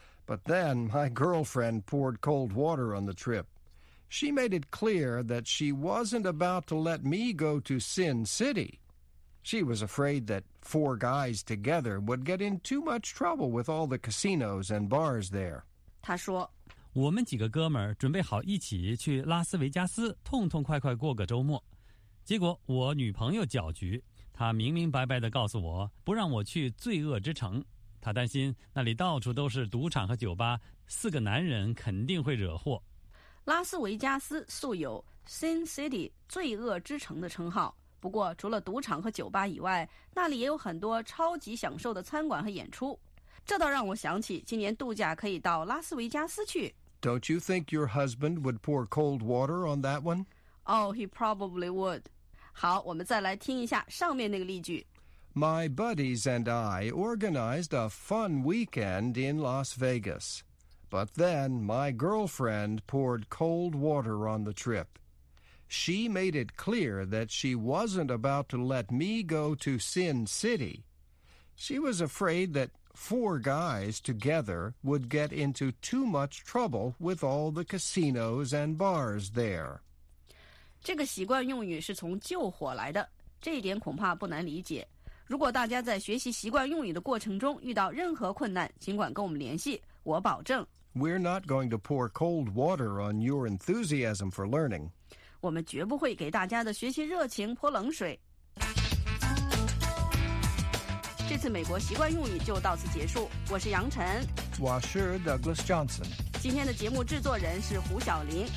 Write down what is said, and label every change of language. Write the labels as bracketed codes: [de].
[en] But then my girlfriend poured cold water on the trip. She made it clear that she wasn't about to let me go to Sin City. She was afraid that four guys together would get in too much trouble with all the casinos and bars there. [zh] 她说，我们几个哥们儿准备好一起去拉斯维加斯痛痛快快过个周末。结果我女朋友搅局，她明明白白地告诉我，不让我去罪恶之城。他担心那里到处都是赌场和酒吧，四个男人肯定会惹祸。拉斯维加斯素有 Sin City 罪恶之城的称号，不过除了赌场和酒吧以外，那里也有很多超级享受的餐馆和演出。这倒让我想起今年度假可以到拉斯维加斯去。 [en] Don't you think your husband would pour cold water on that one? Oh, he probably would. [zh] 好，我们再来听一下上面那个例句。 [en] My buddies and I organized a fun weekend in Las Vegas. But then my girlfriend poured cold water on the trip. She made it clear that she wasn't about to let me go to Sin City. She was afraid that four guys together would get into too much trouble with all the casinos and bars there. [zh] 这个习惯用语是从救火来的，这一点恐怕不难理解。如果大家在学习习惯用语的过程中遇到任何困难，尽管跟我们联系，我保证。 [en] We're not going to pour cold water on your enthusiasm for learning. [zh] 我们绝不会给大家的学习热情泼冷水。这次美国习惯用语就到此结束。我是杨晨。我是 Douglas Johnson。今天的节目制作人是胡晓玲。